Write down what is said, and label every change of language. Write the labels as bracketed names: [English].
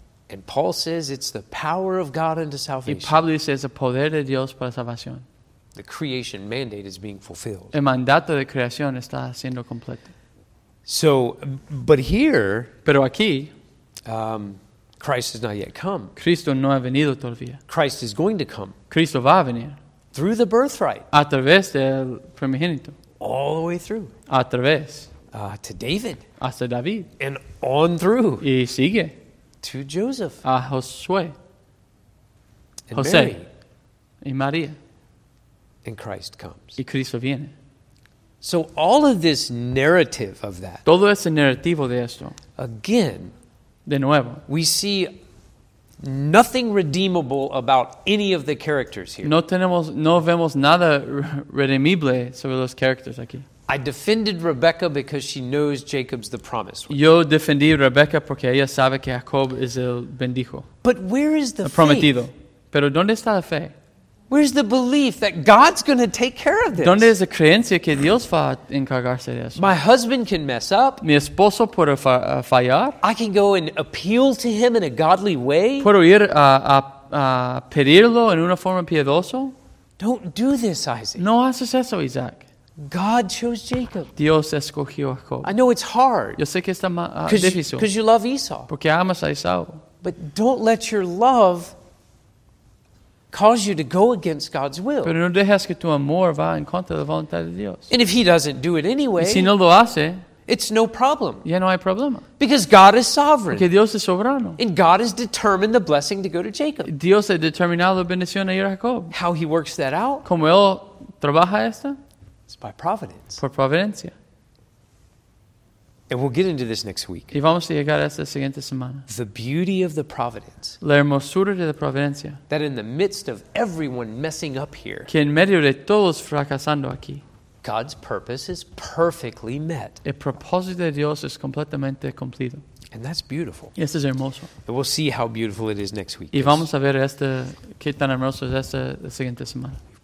[English] And Paul says it's the power of God unto salvation. [Spanish] Y Pablo dice es el poder de Dios para salvación. [English] The creation mandate is being fulfilled. [Spanish] El mandato de creación está siendo completo. [English] So, but here, [Spanish] pero aquí, [English] Christ has not yet come. [Spanish] Cristo no ha venido todavía. [English] Christ is going to come. [Spanish] Cristo va a venir. [English] Through the birthright. [Spanish] A través del primogénito. [English] All the way through. [Spanish] A través. [English] To David. [Spanish] Hasta David. [English] And on through. [Spanish] Y sigue. [English] To Joseph. [Spanish] A Josué. [English] And José. Mary. [Spanish] Y María. [English] And Christ comes. [Spanish] Y Cristo viene. [English] So all of this narrative of that. [Spanish] Todo ese narrativo de esto. [English] Again. [Spanish] De nuevo. [English] We see nothing redeemable about any of the characters here. [Spanish] No vemos nada redimible sobre los characters aquí. [English] I defended Rebecca because she knows Jacob's the promise. [Spanish] Yo defendí Rebecca porque ella sabe que Jacob es el bendijo. [English] But where is the faith? [Spanish] Prometido. Pero ¿dónde está la fe? [English] Where's the belief that God's going to take care of this? [Spanish] ¿Dónde es la creencia que Dios va a encargarse de eso? [English] My husband can mess up. [Spanish] Mi esposo puede fallar. [English] I can go and appeal to him in a godly way. [Spanish] Puedo ir a pedirlo en una forma piedosa. [English] Don't do this, Isaac. [Spanish] No haces eso, Isaac. [English] God chose Jacob. [Spanish] Dios escogió a Jacob. [English] I know it's hard. [Spanish] Yo sé que está difícil. [English] Because you love Esau. [Spanish] Porque amas a Esau. [English] But don't let your love cause you to go against God's will. [Spanish] Pero no dejes que tu amor va en contra de la voluntad de Dios. [English] And if he doesn't do it anyway, [Spanish] y si no lo hace, [English] it's no problem. [Spanish] Ya no hay problema. [English] Because God is sovereign. [Spanish] Porque Dios es soberano. [English] And God has determined the blessing to go to Jacob. [Spanish] Dios ha determinado la bendición a ir a Jacob. [English] How he works that out? [Spanish] ¿Cómo él trabaja esto? [English] It's by providence. [Spanish] Por providencia. [English] And we'll get into this next week. [Spanish] Y vamos a llegar a esta siguiente semana. [English] The beauty of the providence. [Spanish] La hermosura de la providencia. [English] That in the midst of everyone messing up here. [Spanish] Que en medio de todos fracasando aquí. [English] God's purpose is perfectly met. [Spanish] El propósito de Dios es completamente cumplido. [English] And that's beautiful. [Spanish] Y esto es hermoso. [English] And we'll see how beautiful it is next week. [Spanish] Y vamos a ver esta, qué tan hermoso es esta la siguiente semana.